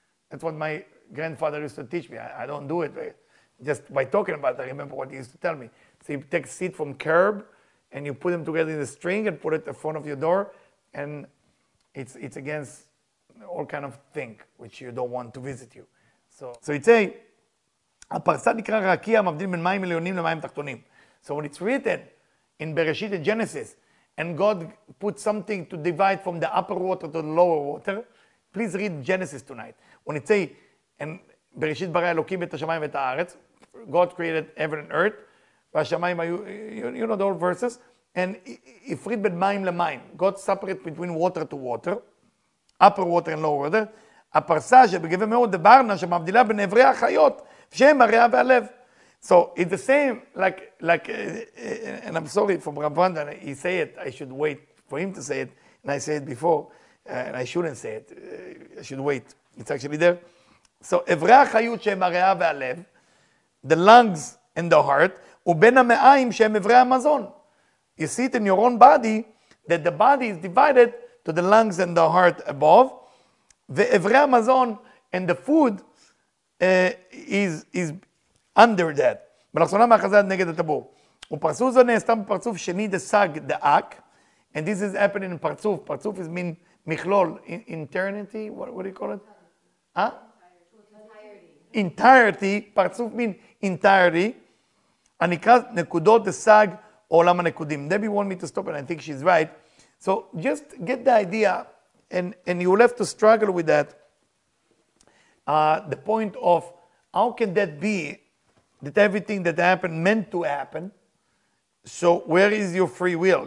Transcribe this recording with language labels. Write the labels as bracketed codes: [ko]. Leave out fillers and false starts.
[en] That's what my grandfather used to teach me. I don't do it. Just by talking about it, I remember what he used to tell me. So you take seed from carob, and you put them together in a string and put it in front of your door, and it's against all kind of thing which you don't want to visit you. So it say [he] הפרסה נקרא רקיע מבדיל בין מים עליונים למים תחתונים. [en] So when it's written in Bereshit and Genesis and God put something to divide from the upper water to the lower water, please read Genesis tonight. When it say and Bereshit [he] ברא אלוקים את השמיים ואת הארץ, [en] God created heaven and earth, והשמיים היו, you know the old verses, and [he] הפריד בין מים למים. [en] God separate between water to water, upper water and lower water. [he] הפרסה שבגבי מאוד דברנה שמבדילה בין אברי החיות, שהם הריאה והלב. [en] So it's the same, like and I'm sorry from Rav Brandon, he say it, I should wait for him to say it, and I say it before, and I shouldn't say it, I should wait, it's actually there. [he] So אברי החיות שהם הריאה והלב, [en] the lungs and the heart, [he] ובין המאיים שהם אברי המזון. [en] You see it in your own body, that the body is divided to the lungs and the heart above, [he] ואברי המזון [en] and the food is under that. [he] מלחסונה מהחזד נגד הטבור. ופרסו זו נעשתם בפרצוף שני דסג דאק, [en] and this is happening in [he] פרצוף. [en] פרצוף is mean מכלול, eternity, what do you call it? Huh? Entirety, פרצוף mean entirety, [he] הנקרא נקודות דסג עולם הנקודים. [en] Debbie want me to stop and I think she's right. So just get the idea, and you'll have to struggle with that, the point of how can that be that everything that happened meant to happen, so where is your free will?